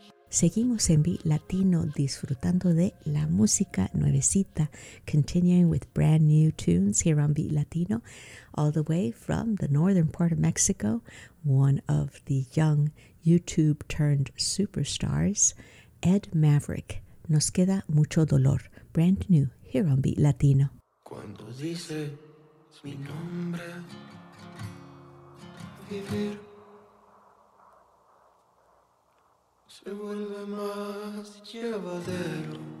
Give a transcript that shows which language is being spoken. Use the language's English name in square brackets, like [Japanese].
[Spanish] Seguimos en Beat Latino disfrutando de la música nuevecita. [English] Continuing with brand new tunes here on Beat Latino, all the way from the northern part of Mexico, one of the young YouTube turned superstars, Ed Maverick. Nos queda mucho dolor, brand new here on Beat Latino. [Spanish] Cuando dices mi nombre, vivir. Se vuelve más llevadero.